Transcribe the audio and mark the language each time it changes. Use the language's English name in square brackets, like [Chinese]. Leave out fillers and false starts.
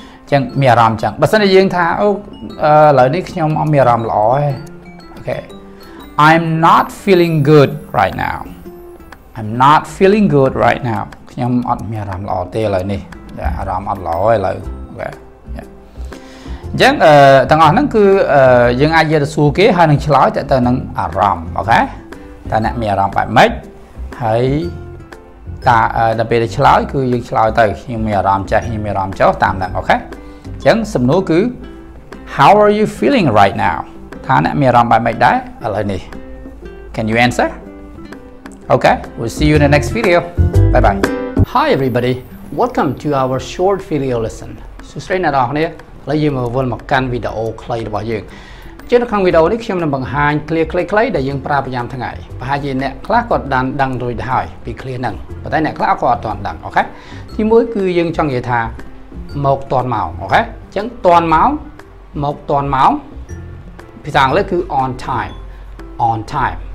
[Khmer] ចឹងមានអារម្មណ៍ចឹងបើសិនជាយើងថាអូឥឡូវនេះខ្ញុំអត់មានអារម្មណ៍ល្អទេអូខេ [English] I'm not feeling good right now [Khmer] I'm not feeling good right now ខ្ញុំអត់មានអារម្មណ៍ល្អទេឥឡូវនេះអារម្មណ៍អត់ល្អទេឥឡូវអញ្ចឹងទាំងអស់ហ្នឹងគឺយើងអាចយកទៅសួរគេហើយនឹងឆ្លើយតើទៅនឹងអារម្មណ៍អូខេតើអ្នកមានអារម្មណ៍បែបម៉េចហើយ តើដល់ពេលទៅឆ្លើយគឺយើងឆ្លើយទៅខ្ញុំមានអារម្មណ៍ចាស់ខ្ញុំមានអារម្មណ៍ចោះតាមដែរអូខេអញ្ចឹងសំណួរគឺ [English] How are you feeling right now? [Khmer] ថាអ្នកមានអារម្មណ៍បែបម៉េចដែរឥឡូវនេះ [English] Can you answer? Okay, we'll see you in the next video. Bye bye. Hi everybody. Welcome to our short video lesson. [Khmer] សួស្តីអ្នកនរគ្នាឥឡូវយើងមកវិលមកកាន់វីដេអូខ្លីរបស់យើងជាក្នុងវីដេអូនេះខ្ញុំនឹងបង្ហាញ clear ខ្លីៗដែលយើងប្រើប្រចាំថ្ងៃប្រហែលជាអ្នកខ្លះក៏ដានដឹងរួចទៅហើយពី clear ហ្នឹងប៉ុន្តែអ្នកខ្លះក៏អត់ទាន់ដឹងអូខេទីមួយគឺយើងចង់និយាយថាមកទាន់មកអូខេអញ្ចឹងទាន់មកមកទាន់មកភាសាអង់គ្លេសគឺ [English] on time on time.